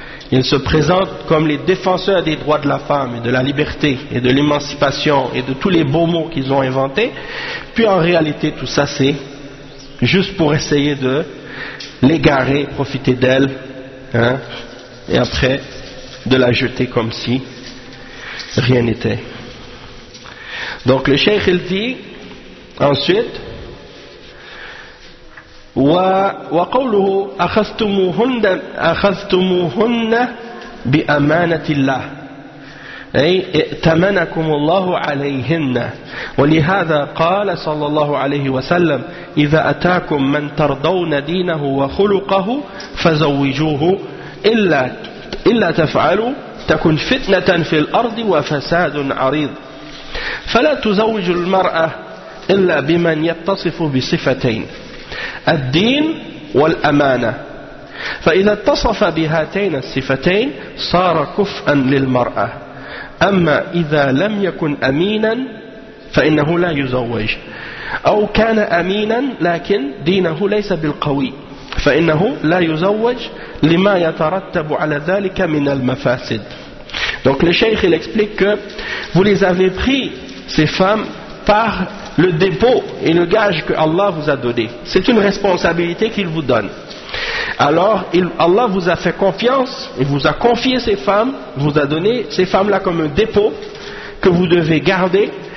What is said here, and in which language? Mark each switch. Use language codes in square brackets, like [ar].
[fr] Ils se présentent comme les défenseurs des droits de la femme, et de la liberté, et de l'émancipation, et de tous les beaux mots qu'ils ont inventés. Puis en réalité, tout ça, c'est juste pour essayer de l'égarer, profiter d'elle, hein, et après, de la jeter comme si rien n'était. Donc le cheikh, il dit... Ensuite, [ar] وقوله أخذتموهن بأمانة الله أي ائتمنكم الله عليهن ولهذا قال صلى الله عليه وسلم إذا أتاكم من ترضون دينه وخلقه فزوجوه إلا تفعلوا تكن فتنة في الأرض وفساد عريض فلا تزوج المرأة إلا بمن يتصف بصفتين الدين والأمانة فإذا اتصف بهاتين الصفتين صار كفءا للمرأة أما إذا لم يكن أمينا فإنه لا يزوج أو كان أمينا لكن دينه ليس بالقوي فإنه لا يزوج لما يترتب على ذلك من المفاسد. [fr] Donc le cheikh il explique que vous les avez pris ces femmes par le dépôt et le gage que Allah vous a donné. C'est une responsabilité qu'il vous donne. Alors, Allah vous a fait confiance, il vous a confié ces femmes, vous a donné ces femmes-là comme un dépôt que vous devez garder.